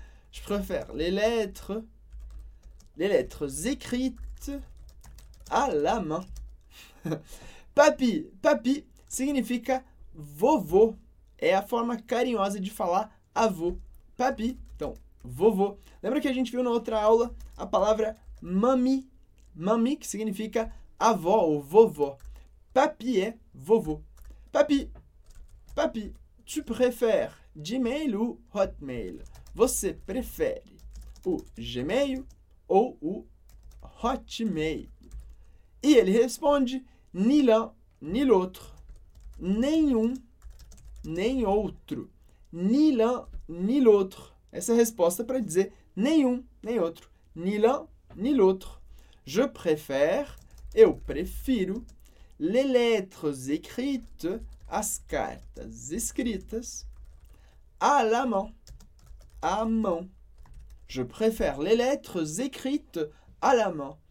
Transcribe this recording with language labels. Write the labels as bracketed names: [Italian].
[French] Je préfère les lettres écrites à la main. [Portuguese] Papi significa Vovô é a forma carinhosa de falar avô, papi, então vovô. Lembra que a gente viu na outra aula a palavra mami, mami que significa avó ou vovó. Papi é vovô. [French] Papi, papi, tu préfères Gmail ou Hotmail? [Portuguese] Você prefere o Gmail ou o Hotmail? E ele responde: [French] ni l'un, ni l'autre. [Portuguese] Nenhum, nem outro. [French] Ni l'un, ni l'autre. [Portuguese] Essa é a resposta para dizer nenhum, nem outro. [French] Ni l'un, ni l'autre. Je préfère, [Portuguese] eu prefiro, [French] les lettres écrites, [Portuguese] as cartas escritas, [French] à la main, [Portuguese] à mão. [French] Je préfère les lettres écrites à la main.